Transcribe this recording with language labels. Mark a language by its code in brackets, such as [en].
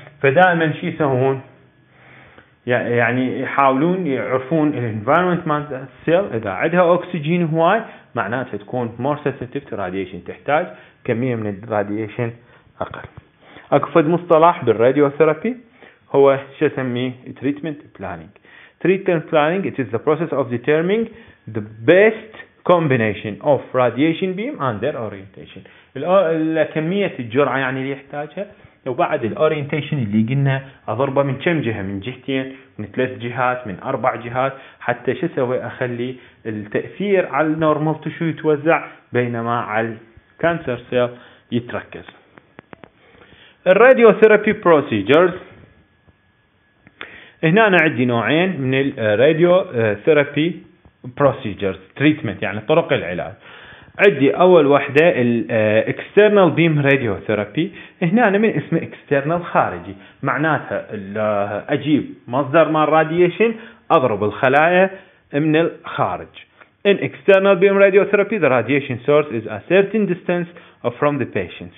[ar] فدائما شي يسوون يعني يحاولون يعرفون الانفايرمنت مال السيل، اذا عندها اكسجين هواي معناتها تكون [en] more sensitive to radiation, [ar] تحتاج كميه من الراديشن اقل. اكفد مصطلح بالراديوثيرابي هو شو اسميه؟ treatment planning. [en] treatment planning it is the process of determining the best combination of radiation beam and their orientation. [ar] الكمية الجرعة يعني اللي يحتاجها، وبعد ال orientation اللي قلنا أضربه من كم جهة؟ من جهتين، من ثلاث جهات، من أربع جهات، حتى شو سوي؟ أخلي التأثير على normal tissue يتوزع بينما على cancer cell يتركز. الراديوثيرابي procedures هنا عندي نوعين من الراديو ثيرابي بروسيجرز تريتمنت، يعني طرق العلاج. عندي اول واحدة الاكسترنال بيم راديو ثيرابي، هنا من اسمه اكسترنال خارجي، معناتها اجيب مصدر مال راديشن اضرب الخلايا من الخارج. [en] In external beam radiotherapy, the radiation source is a certain distance from the patient.